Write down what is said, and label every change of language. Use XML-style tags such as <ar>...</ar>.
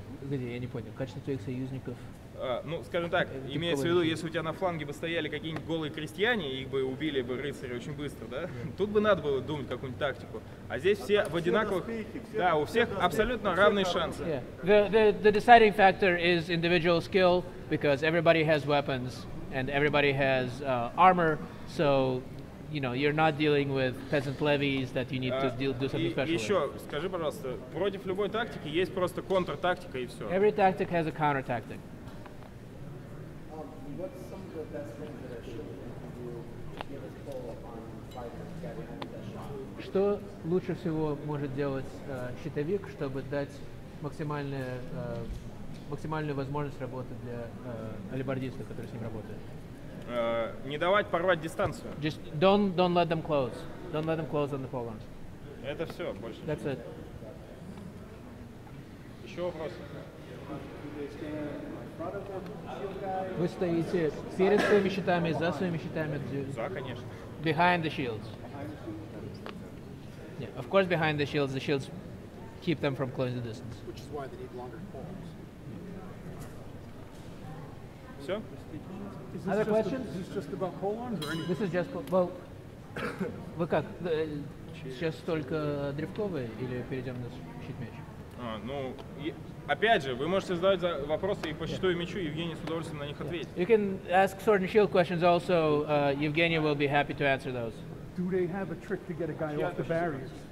<ru>Где, я не понял. Качество твоих союзников... Ну, скажем так, имеется в виду, если у тебя на фланге бы стояли какие-нибудь голые крестьяне, их бы убили бы рыцари очень быстро, да?</ru> <en>Yeah.</en> <ru>Тут бы надо было думать какую-нибудь тактику. А здесь все в одинаковых... Да, у всех абсолютно равные шансы.</ru> <en>Yeah. The deciding factor is individual skill, because everybody has weapons, and everybody has armor, so, you know, you're not dealing with peasant levies that you need to do something special.</en> <ru>И еще, скажи, пожалуйста, против любой тактики есть просто контртактика и все.</ru> <en>Every tactic has a counter-tactic.</en> <ru>Что лучше всего может делать щитовик, чтобы дать максимальную возможность работы для алебардиста, который с ним работает? Не давать порвать дистанцию.</ru> <en>Just don't let them close. Don't let them close on the pole arms.</en> <ru>Это все, больше.</ru> <en>That's it.</en> <ru>Еще вопросы? Вы стоите перед своими щитами, за своими щитами? За, конечно.</ru> <en>Behind the shields. Yeah, of course behind the shields. The shields keep them from closing the distance. Which is why they need longer poles. So? Other questions? Is this just about pole arms or anything? This is just, well,</en> <ru>вы как? Сейчас только дрифтовые или перейдем на щит-меч? Опять же, вы можете задавать вопросы и по щиту и мячу, Евгений с удовольствием на них ответит.</ru> <en>You can ask sword and shield questions also. Евгений will be happy to answer those. Do they have a trick to get a guy off the barriers?</en>